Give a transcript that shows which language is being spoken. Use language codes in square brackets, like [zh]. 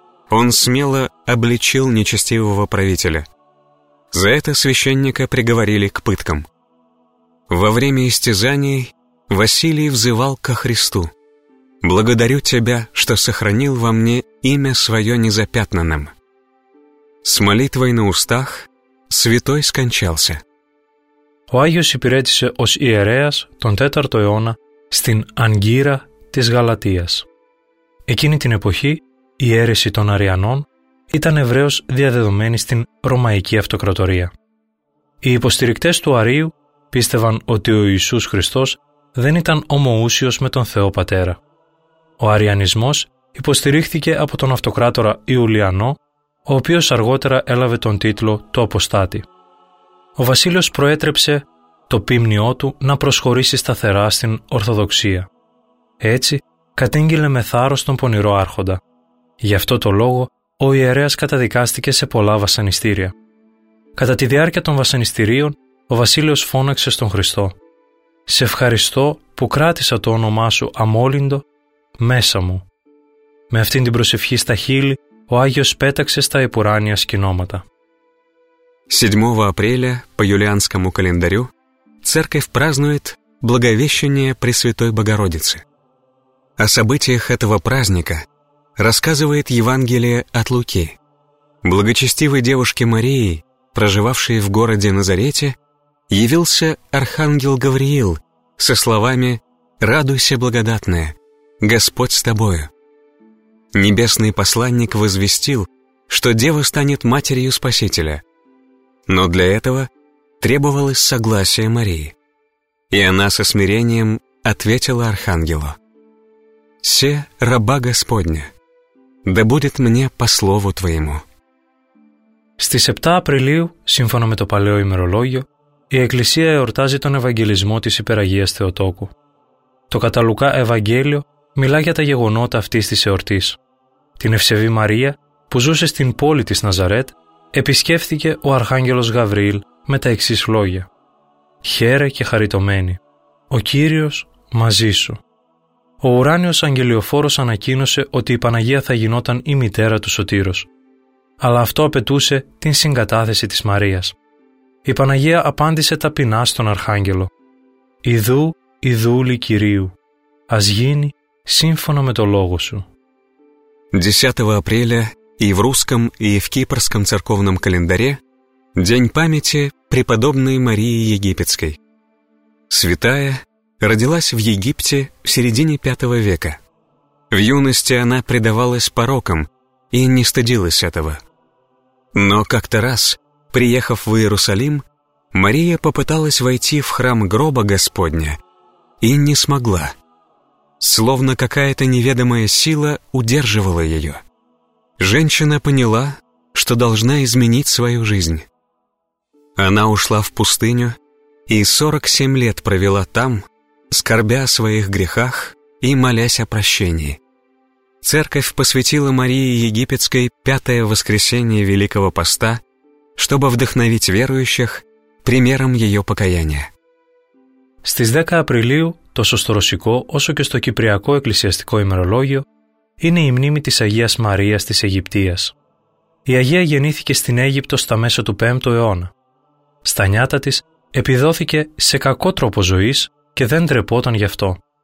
[ru] Он смело обличил нечестивого правителя. За это священника приговорили к пыткам. Во время истязаний Василий взывал ко Христу: «Благодарю Тебя, что сохранил во мне имя свое незапятнанным». С молитвой на устах святой скончался. [el] Ο Άγιος υπηρέτησε ως ιερέας τον 4ο αιώνα στην Ανγκύρα της Γαλατίας. Εκείνη την εποχή η αίρεση των Αριανών ήταν ευρέως διαδεδομένη στην Ρωμαϊκή Αυτοκρατορία. Οι υποστηρικτές του Αρίου πίστευαν ότι ο Ιησούς Χριστός δεν ήταν ομοούσιος με τον Θεό Πατέρα. Ο Αριανισμός υποστηρίχθηκε από τον αυτοκράτορα Ιουλιανό, ο οποίος αργότερα έλαβε τον τίτλο του Αποστάτη. Ο Βασίλειος προέτρεψε το πίμνιό του να προσχωρήσει σταθερά στην Ορθοδοξία. Έτσι, κατήγγειλε με θάρρος τον πονηρό άρχοντα. Γι' αυτό το λόγο, ο ιερέας καταδικάστηκε σε πολλά βασανιστήρια. Κατά τη διάρκεια των βασανιστηρίων, ο Βασίλειος φώναξε στον Χριστό: «Σε ευχαριστώ που κράτησα το όνομά σου αμόλυντο μέσα μου». Με αυτήν την προσευχή στα χείλη, ο Άγιος πέταξε στα επουράνια σκηνώματα. [ru] 7 апреля по юлианскому календарю церковь празднует Благовещение Пресвятой Богородицы. О событиях этого праздника рассказывает Евангелие от Луки. Благочестивой девушке Марии, проживавшей в городе Назарете, явился архангел Гавриил со словами: «Радуйся, благодатная, Господь с тобою». Небесный посланник возвестил, что дева станет матерью Спасителя. Но для этого требовалось согласие Марии. И она со смирением ответила архангелу: «Се, раба Господня, да будет мне по слову твоему». [el] Στις 7 Απριλίου, σύμφωνα με το παλαιό ημερολόγιο, η Εκκλησία εορτάζει τον Ευαγγελισμό της Υπεραγίας Θεοτόκου. Το κατά Λουκά Ευαγγέλιο μιλά για τα γεγονότα αυτής της εορτής. Την ευσεβή Μαρία, που ζούσε στην πόλη της Ναζαρέτ, επισκέφθηκε ο Αρχάγγελος Γαβριήλ με τα εξής λόγια: «Χαίρε και χαριτωμένη, ο Κύριος μαζί σου». Ο ουράνιος αγγελιοφόρος ανακοίνωσε ότι η Παναγία θα γινόταν η μητέρα του Σωτήρος. Αλλά αυτό απαιτούσε την συγκατάθεση της Μαρίας. Η Παναγία απάντησε ταπεινά στον Αρχάγγελο: «Ιδού η δούλη Κυρίου, ας γίνει σύμφωνα με το λόγο σου». [ru] 10 апреля и в русском, и в кипрском церковном календаре день памяти преподобной Марии Египетской. Святая родилась в Египте в середине 5 века. В юности она предавалась порокам и не стыдилась этого. Но как-то раз, приехав в Иерусалим, Мария попыталась войти в храм гроба Господня и не смогла. Словно какая-то неведомая сила удерживала ее. Женщина поняла, что должна изменить свою жизнь. Она ушла в пустыню и 47 лет провела там, скорбя о своих грехах и молясь о прощении. Церковь посвятила Марии Египетской 5-е воскресенье Великого Поста, чтобы вдохновить верующих примером ее покаяния. [el] Στις 10 Απριλίου, τόσο στο ρωσικό όσο και στο κυπριακό εκκλησιαστικό ημερολόγιο, είναι η μνήμη της Αγίας Μαρίας της Αιγυπτίας. Η Αγία γεννήθηκε στην Αίγυπτο στα μέσα του 5ου αιώνα. Στα νιάτα της επιδόθηκε σε κακό τρόπο ζωής και δεν ντρεπόταν γι' αυτό.